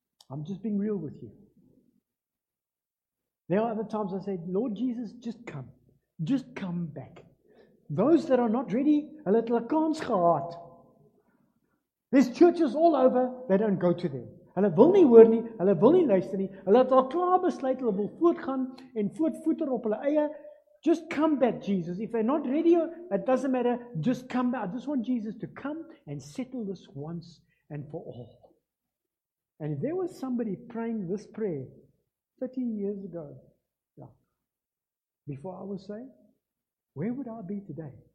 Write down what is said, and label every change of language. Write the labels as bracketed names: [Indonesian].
[English] I'm just being real with you. There are other times I said, Lord Jesus, just come. Just come back. Those that are not ready, a little [Afrikaans] kans gehad. [English] There's churches all over, they don't go to them. [Afrikaans] Hulle wil nie hoor nie, hulle wil nie luister nie. Hulle het al klaar besluit, hulle wil voortgaan en voortvoeter op hulle eie. [English] Just come back, Jesus. If they're not ready, it doesn't matter. Just come back. I just want Jesus to come and settle this once and for all. And if there was somebody praying this prayer 30 years ago, yeah, before I was saved, where would I be today?